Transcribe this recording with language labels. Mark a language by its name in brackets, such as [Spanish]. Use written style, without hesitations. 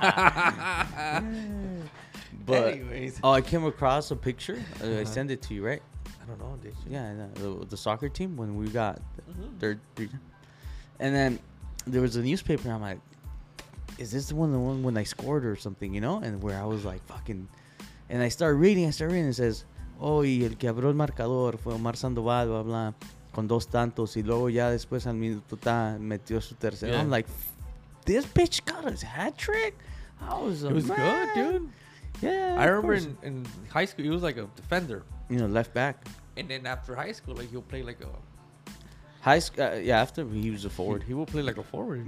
[English] But anyways. Oh, I came across a picture. I sent it to you, right? I don't know. Did you? Yeah, the soccer team when we got third. And then there was a newspaper. And I'm like, is this the one when I scored or something, you know? And where I was like, fucking. And I start reading. It says, oh, [Spanish] y el que abrió el marcador fue Omar Sandoval, blah, blah. Con dos tantos y luego ya después al minuto ta metió su tercero. [English] Yeah. I'm like, this bitch got his hat trick. It was good, dude. Yeah, I remember in high school he was like a defender, you know, left back. And then after high school, like he'll play like a high school. Yeah, after he was a forward, he will play like a forward.